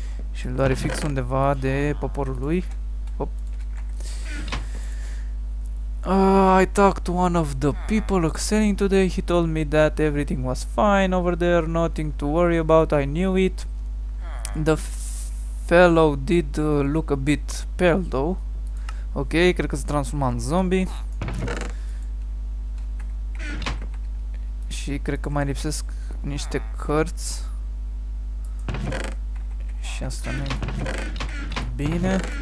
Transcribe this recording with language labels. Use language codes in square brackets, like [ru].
[ro] Și îl doare fix undeva de poporul lui. Hop. [en] I talked to one of the people excelling today. He told me that everything was fine over there. Nothing to worry about. I knew it. The fellow did look a bit pale though. [ro] Ok, cred că se transforma în zombie. Și cred că mai lipsesc niște cărți. Și asta nu-i bine.